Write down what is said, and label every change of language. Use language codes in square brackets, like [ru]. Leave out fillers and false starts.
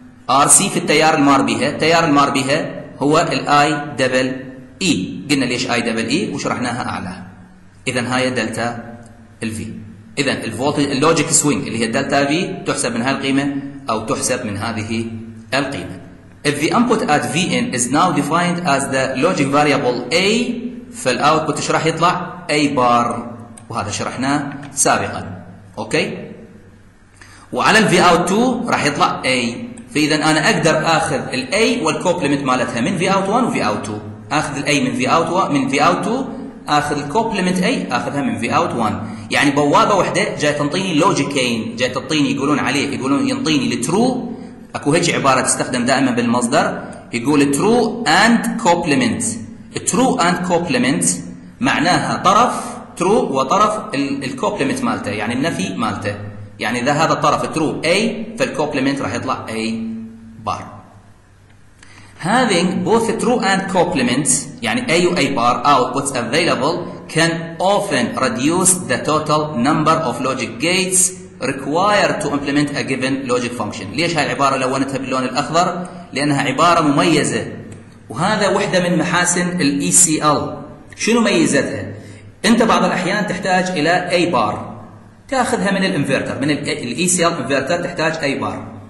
[ar] ار سي في التيار المار بها، التيار المار بها هو الاي دبل اي، قلنا ليش اي دبل اي وشرحناها اعلاها. اذا هاي دلتا الفي، اذا الفولتج اللوجيك سوينج اللي هي الدلتا في تحسب من هاي القيمه او تحسب من هذه القيمه. [en] If the input at Vn is now defined as the logic variable A [ar] فالاوتبوت ايش راح يطلع؟ A بار، وهذا شرحناه سابقا. اوكي؟ وعلى الفي اوت 2 راح يطلع A، فاذا انا اقدر اخذ الـ A والكوبلمنت مالتها من في اوت 1 وفي اوت 2، اخذ الـ A من في اوت 1 من في اوت 2 اخذ الكوبلمنت A اخذها من في اوت 1، يعني بوابه واحده جايه تنطيني لوجيكين، جايه تعطيني يقولون عليه يقولون ينطيني الترو. اكو هيك عباره تستخدم دائما بالمصدر، يقول ترو اند كوبلمنت. ترو اند كوبلمنت معناها طرف ترو وطرف الكوبلمنت مالته، يعني النفي مالته، يعني اذا هذا الطرف ترو A فالكوبلمنت راح يطلع A بار. [en] Having both true and complement [ar] يعني A و A بار [en] outputs available can often reduce the total number of logic gates required to implement a given logic function. [ar] ليش هاي العبارة لونتها باللون الأخضر؟ لأنها عبارة مميزة، وهذا وحدة من محاسن الـ ECL. شنو ميزتها؟ أنت بعض الأحيان تحتاج إلى A بار، تاخذها من الانفرتر، من الاي سي ال انفرتر تحتاج اي بار.